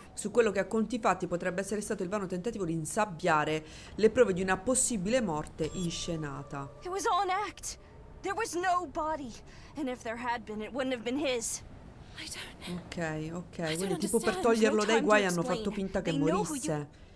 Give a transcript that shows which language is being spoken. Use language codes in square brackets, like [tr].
[it] Quello che a conti fatti potrebbe essere stato il vano tentativo di insabbiare le prove di una possibile morte inscenata. [en] It was all an act. There was no body. And if there had been, it wouldn't have been his. I don't. Ok, ok. [it] Quindi tipo per toglierlo dai guai hanno fatto finta che morisse.